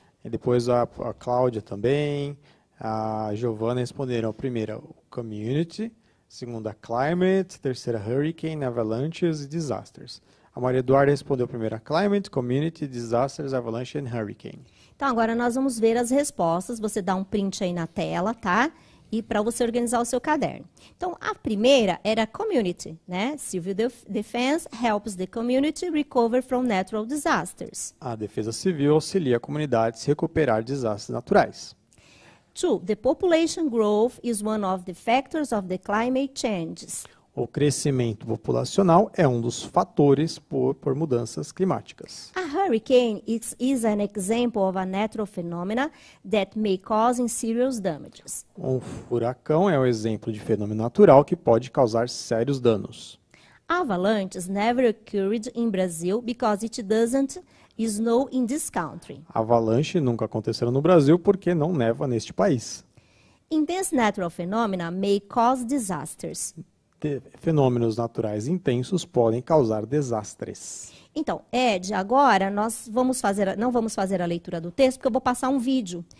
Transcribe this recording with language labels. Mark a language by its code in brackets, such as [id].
[pt] E depois a Cláudia também, a Giovana responderam a primeira, o community, segunda, climate, terceira, hurricane, avalanches e disasters. A Maria Eduarda respondeu primeiro, climate, community, disasters, avalanche and hurricane. Então, agora nós vamos ver as respostas. Você dá um print aí na tela, tá? E para você organizar o seu caderno. Então, a primeira era community, né? [en] Civil defense helps the community recover from natural disasters. [pt] A defesa civil auxilia a comunidade a se recuperar de desastres naturais. [en] Two, the population growth is one of the factors of the climate changes. [pt] O crescimento populacional é um dos fatores por mudanças climáticas. [en] A hurricane is an example of a natural phenomena that may cause serious damages. [pt] Um furacão é um exemplo de fenômeno natural que pode causar sérios danos. [en] Avalanches never occurred in Brazil because it doesn't snow in this country. [pt] Avalanche nunca aconteceram no Brasil porque não neva neste país. [en] Intense natural phenomena may cause disasters. [pt] Fenômenos naturais intensos podem causar desastres. Então, Ed, agora nós vamos fazer, não vamos fazer a leitura do texto, porque eu vou passar um vídeo.